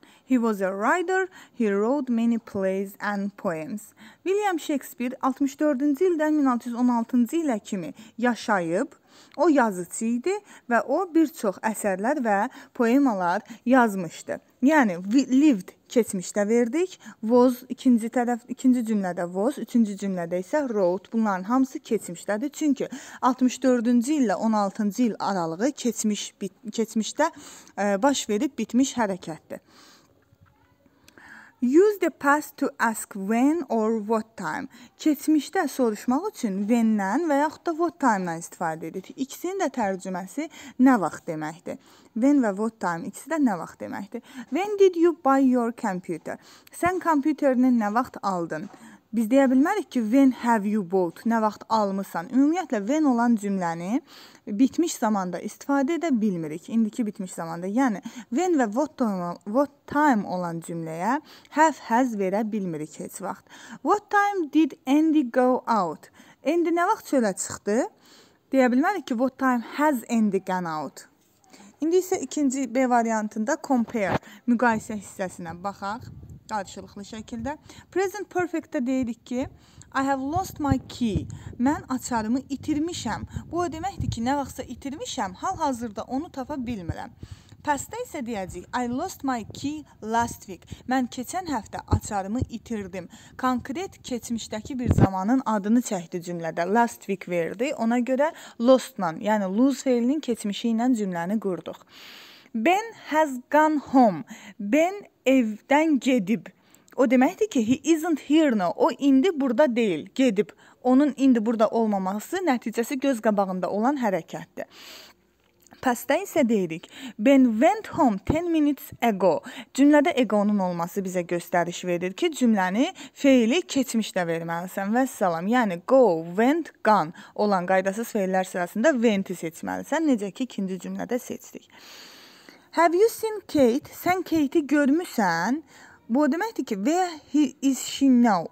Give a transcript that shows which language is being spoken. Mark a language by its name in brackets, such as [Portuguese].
[English] He was a writer, he wrote many plays and poems. [Azerbaijani] William Shakespeare 64-cü ildən 1616-cı ilə kimi yaşayıb. O yazıcı idi və o bir çox əsərlər və poemalar yazmışdı. Yəni, lived keçmişdə verdik, was ikinci tərəf, ikinci cümlədə was, üçüncü cümlədə isə wrote. Bunların hamısı keçmişdədir. Çünki 64-cü illə 16-cı il aralığı keçmişdə baş verib bitmiş hərəkətdir. [English] Use the past to ask when or what time. [Azerbaijani] Keçmişdə soruşmaq üçün when-dən və yaxud da what time-dən istifadə edir. İkisinin də tərcüməsi nə vaxt deməkdir. When və what time ikisi də nə vaxt deməkdir. [English] When did you buy your computer? [Azerbaijani] Sən kompüterini nə vaxt aldın? Biz deyə bilmərik ki, [English] when have you bought, [Azerbaijani] nə vaxt almışsan. Ümumiyyətlə, when olan cümləni bitmiş zamanda istifadə edə bilmirik. İndiki bitmiş zamanda. Yəni, when və what time olan cümləyə have, has verə bilmirik heç vaxt. [English] What time did Andy go out? [Azerbaijani] Andy nə vaxt çölə çıxdı? Deyə bilmərik ki, [English] what time has Andy gone out? [Azerbaijani] İndi isə ikinci B variantında compare, müqayisə hissəsinə baxaq. Qarşılıqlı şəkildə. Present perfect-də deyirik ki, [English] I have lost my key. [Azerbaijani] Mən açarımı itirmişəm. Bu o deməkdir ki, nə vaxtsa itirmişəm, hal-hazırda onu tapa bilmirəm. Past-də isə deyəcəyik, [English] I lost my key last week. [Azerbaijani] Mən keçən həftə açarımı itirdim. Konkret keçmişdəki bir zamanın adını çəkdi cümlədə. Last week verdi. Ona görə lost-la, yəni lose feilinin keçmişi ilə cümləni qurduq. [English] Ben has gone home. [Azerbaijani] Ben evdən gedib. O demektir ki, [English] he isn't here now. [Azerbaijani] O indi burada deyil. Gedib. Onun indi burada olmaması nəticəsi göz qabağında olan hərəkətdir. Pastda isə deyirik, [English] Ben went home 10 minutes ago. [Azerbaijani] Cümlədə ego-nun olması bizə göstəriş verir ki, cümləni feili keçmişdə verməlisən. Vəssalam, yəni go, went, gone olan qaydasız feillər sırasında went-i seçməlisən. Necə ki, ikinci cümlədə seçdik. [English] Have you seen Kate? [Azerbaijani] Sən Kate-i görmüsən? Bu deməkdir ki, [English] where he is she now?